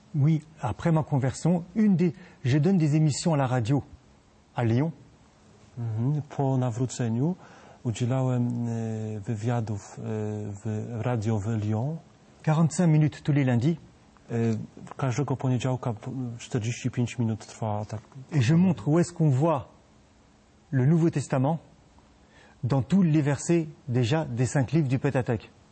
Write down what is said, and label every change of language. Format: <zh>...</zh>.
<fr>Oui, après ma conversion, je donne des émissions à la radio à Lyon.</fr> <pl>Po nawróceniu udzielałem wywiadów w radio w Lyon.</pl> <fr>45 minut tous les lundis.</fr> <pl>Każdego poniedziałka 45 minut trwa tak.</pl> <fr>Et je montre où est-ce qu'on voit le Nouveau Testament dans tous les versets déjà des cinq livres du Pentateuque.</fr>